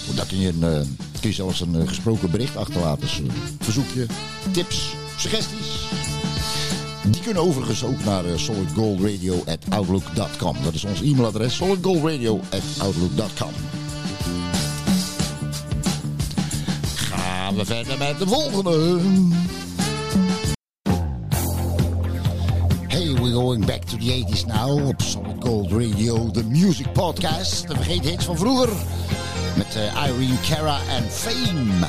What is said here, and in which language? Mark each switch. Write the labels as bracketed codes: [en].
[nl] Daar kun je zelfs een gesproken bericht achterlaten. Dus een verzoekje, tips, suggesties. Die kunnen overigens ook naar solidgoldradio@outlook.com. Dat is ons e-mailadres, solidgoldradio@outlook.com. Gaan we verder met de volgende. [en] We're going back to the 80s now [nl] op [en] Solid Gold Radio, the music podcast. [nl] De vergeten hits van vroeger met Irene Cara en Fame.